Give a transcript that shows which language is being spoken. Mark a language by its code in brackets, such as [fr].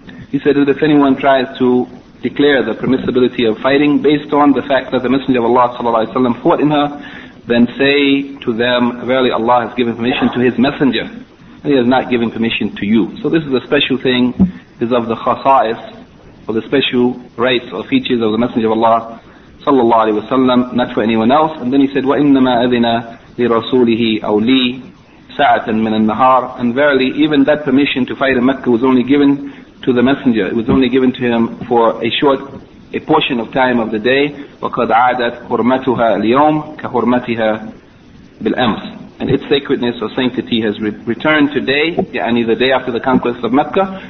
[en] He said that if anyone tries to declare the permissibility of fighting based on the fact that the Messenger of Allah sallallahu alayhi wa sallam fought in her, then say to them, verily Allah has given permission to His Messenger, and He has not given permission to you. So this is a special thing, is of the khasa'is, or the special rights or features of the Messenger of Allah sallallahu alayhi wa sallam, not for anyone else. [ar] And then he said, وَإِنَّمَا أَذِنَا لِرَسُولِهِ أَوْ لِي سَعَةً مِنَ النَّهَارِ. [en] And verily, even that permission to fight in Mecca was only given to the Messenger. It was only given to him for a portion of time of the day. [ar] وَقَدْ عَادَتْ حُرْمَتُهَا الْيَوْمِ كَحُرْمَتِهَا بِالْأَمْسِ. [en] And its sacredness or sanctity has returned today, yani the day after the conquest of Mecca.